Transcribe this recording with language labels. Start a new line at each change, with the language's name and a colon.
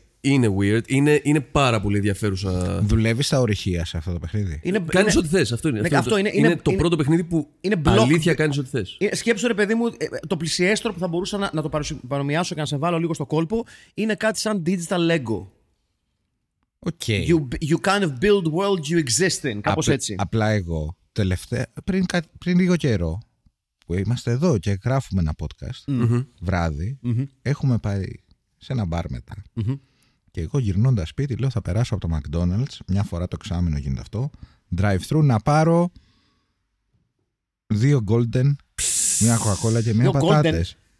Greek: Είναι weird. Είναι πάρα πολύ ενδιαφέρουσα. Δουλεύει στα ορυχεία σε αυτό το παιχνίδι. Κάνει ό,τι θες. Αυτό είναι. Αυτό είναι το πρώτο παιχνίδι που. Είναι αλήθεια, κάνει ό,τι θες. Σκέψω, ρε παιδί μου, το πλησιέστερο που θα μπορούσα να το παρομοιάσω και να σε βάλω λίγο στο κόλπο είναι κάτι σαν digital Lego.
English: Okay. You kind of build world you exist in.
Greek: Κάπως έτσι. Απλά εγώ, πριν λίγο καιρό, που είμαστε εδώ και γράφουμε ένα podcast βράδυ, έχουμε πάει σε ένα μπαρ μετά. Και εγώ γυρνώντας σπίτι λέω θα περάσω από το McDonald's, μια φορά το εξάμηνο γίνεται αυτό, drive-thru να πάρω δύο golden, μια Coca-Cola και μια πατάτες.